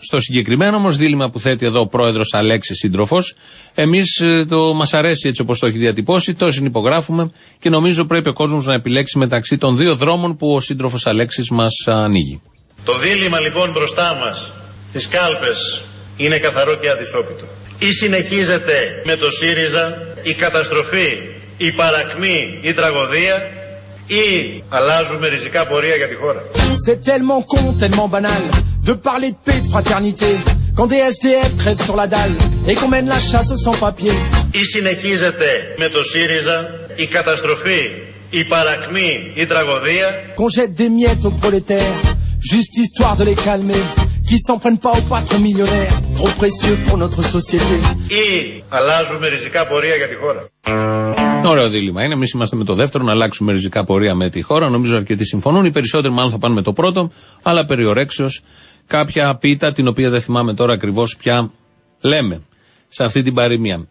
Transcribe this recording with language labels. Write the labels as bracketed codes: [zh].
[el] Στο συγκεκριμένο όμως δίλημα που θέτει εδώ ο πρόεδρος Αλέξης σύντροφος, εμείς το μας αρέσει έτσι όπως το έχει διατυπώσει, το συνυπογράφουμε και νομίζω πρέπει ο κόσμος να επιλέξει μεταξύ των δύο δρόμων που ο σύντροφος Αλέξης μας ανοίγει. Το δίλημα λοιπόν μπροστά μας, τις κάλπες, είναι καθαρό και αδυσόπιτο. Ή συνεχίζεται με το ΣΥΡΙΖΑ η καταστροφή, η παρακμή, η τραγωδία, ή αλλάζουμε ριζικά πορεία για τη χώρα. [fr] C'est tellement con, tellement banal, de parler de paix, de fraternité, quand des SDF crèvent sur la dalle et qu'on mène la chasse sans papier. [el] Ή συνεχίζεται με το ΣΥΡΙΖΑ η καταστροφή, η παρακμή, η τραγωδία. [fr] Qu'on jette des miettes aux prolétaires, juste histoire de les calmer, qu'ils s'en prennent pas aux patrons millionnaires, trop précieux pour notre société. [el] Ή αλλάζουμε ριζικά πορεία για τη χώρα. Ωραίο δίλημα είναι. Εμείς είμαστε με το δεύτερο, να αλλάξουμε ριζικά πορεία με τη χώρα. Νομίζω αρκετοί συμφωνούν. Οι περισσότεροι, μάλλον, θα πάνε με το πρώτο. Αλλά περιορέξεως, κάποια πίτα, την οποία δεν θυμάμαι τώρα ακριβώς ποια λέμε σε αυτή την παροιμία.